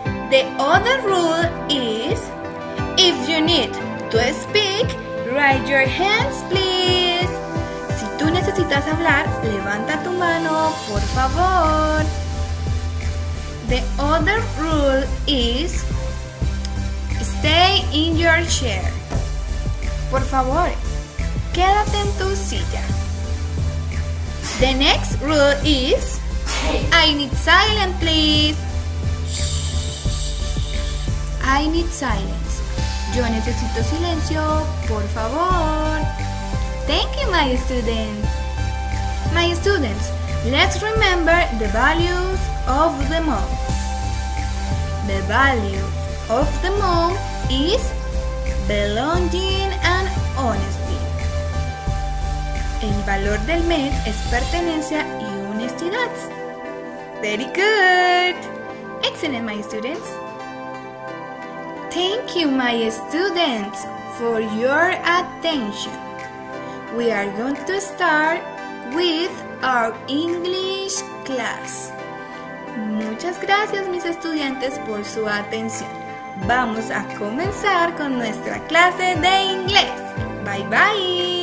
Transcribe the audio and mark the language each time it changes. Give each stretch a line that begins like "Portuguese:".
English: The other rule is, if you need to speak, raise your hands, please.
Spanish: Si tú necesitas hablar, levanta tu mano, por favor.
English: The other rule is, stay in your chair.
Spanish: Por favor, quédate en tu silla.
English: The next rule is, I need silence, please. I need silence.
Spanish: Yo necesito silencio, por favor.
English: Thank you, my students. My students, let's remember the values of the month. The value of the month is belonging and honesty.
Spanish: El valor del mes es pertenencia y honestidad.
English: Very good! Excellent, my students! Thank you, my students, for your attention. We are going to start with our English class.
Spanish: Muchas gracias, mis estudiantes, por su atención. Vamos a comenzar con nuestra clase de inglés.
English: Bye, bye.